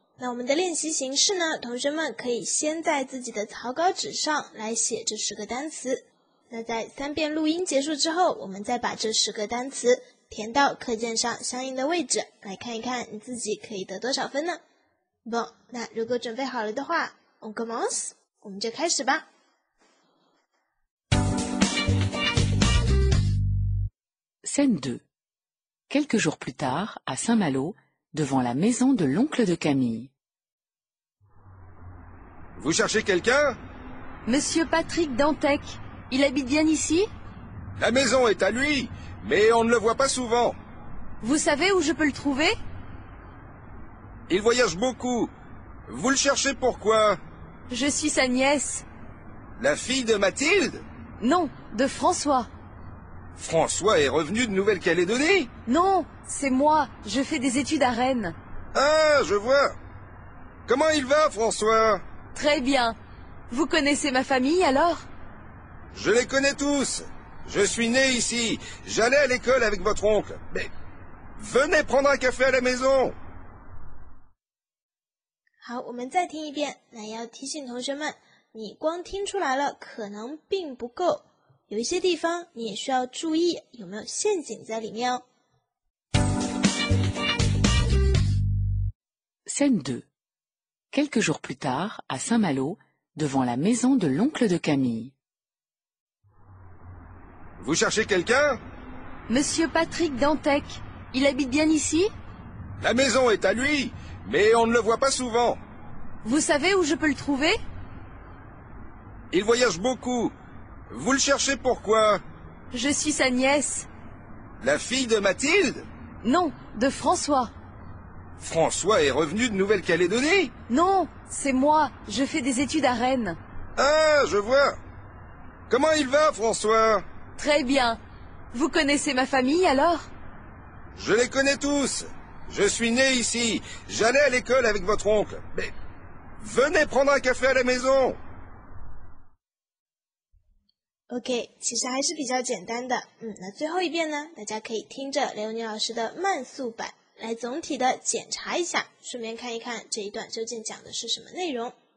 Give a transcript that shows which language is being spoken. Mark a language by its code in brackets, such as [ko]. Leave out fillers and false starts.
[zh] 那我们的练习形式呢，同学们可以先在自己的草稿纸上来写这十个单词，那在三遍录音结束之后，我们再把这十个单词填到课件上相应的位置，来看一看你自己可以得多少分呢。 Bon， 那如果准备好了的话， [fr] On commence， [zh] 我们就开始吧。 [fr] Scène 2 Quelques jours plus tard à Saint-MaloDevant la maison de l'oncle de Camille. Vous cherchez quelqu'un ? Monsieur Patrick Dantec, il habite bien ici ? La maison est à lui, mais on ne le voit pas souvent. Vous savez où je peux le trouver ? Il voyage beaucoup. Vous le cherchez pourquoi ? Je suis sa nièce. La fille de Mathilde ? Non, de François. François est revenu de Nouvelle-Calédonie ? Non, c'est moi. Je fais des études à Rennes. Ah, je vois. Comment il va, François ? Très bien. Vous connaissez ma famille, alors ? Je les connais tous. Je suis né ici. J'allais à l'école avec votre oncle. Mais venez prendre un café à la maison. [zh] 好，我们再听一遍。那要提醒同学们，你光听出来了，可能并不够。有一些地方你也需要注意有没有陷阱在里面哦。 [fr] Scène 2 Quelques jours plus tard, à Saint-Malo, devant la maison de l'oncle de Camille. Vous cherchez quelqu'un ? Monsieur Patrick Dantec, il habite bien ici ? La maison est à lui, mais on ne le voit pas souvent. Vous savez où je peux le trouver ? Il voyage beaucoup. Vous le cherchez pourquoi ? Je suis sa nièce. La fille de Mathilde ? Non, de François. François est revenu de Nouvelle-Calédonie ? Non, c'est moi. Je fais des études à Rennes. Ah, je vois. Comment il va, François ? Très bien. Vous connaissez ma famille, alors ? Je les connais tous. Je suis né ici. J'allais à l'école avec votre oncle. Mais venez prendre un café à la maison ! [zh] OK， 其实还是比较简单的。嗯，那最后一遍呢，大家可以听着刘妮老师的慢速版来总体的检查一下，顺便看一看这一段究竟讲的是什么内容。